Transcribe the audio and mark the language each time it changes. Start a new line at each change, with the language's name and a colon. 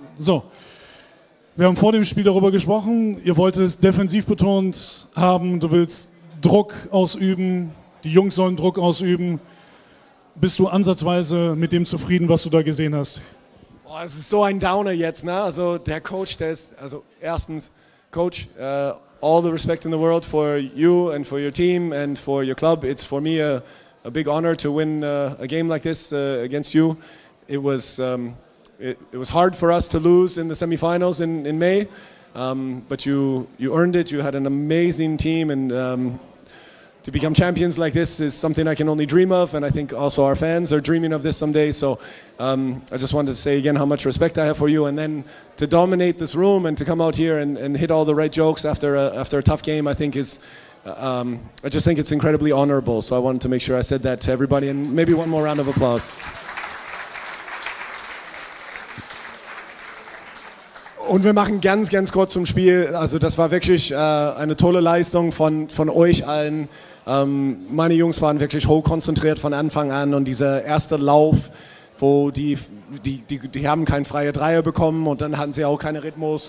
German: So. Wir haben vor dem Spiel darüber gesprochen, ihr wollt es defensiv betont haben, du willst Druck ausüben, die Jungs sollen Druck ausüben. Bist du ansatzweise mit dem zufrieden, was du da gesehen hast? Boah, es ist so ein Downer jetzt, ne? Also der Coach, der ist, also erstens,
English: Coach, all the respect in the world for you and for your team and for your club. It's for me a big honor to win a game like this against you. It was... It was hard for us to lose in the semifinals in May, but you earned it. You had an amazing team, and to become champions like this is something I can only dream of, and I think also our fans are dreaming of this someday. So I just wanted to say again how much respect I have for you, and then to dominate this room and to come out here and hit all the right jokes after a tough game, I think is I just think it's incredibly honorable. So I wanted to make sure I said that to everybody, and maybe one more round of applause.
German: Und wir machen ganz, ganz kurz zum Spiel. Also das war wirklich eine tolle Leistung von euch allen. Meine Jungs waren wirklich hochkonzentriert von Anfang an. Und dieser erste Lauf, wo die haben keine freie Dreier bekommen und dann hatten sie auch keinen Rhythmus.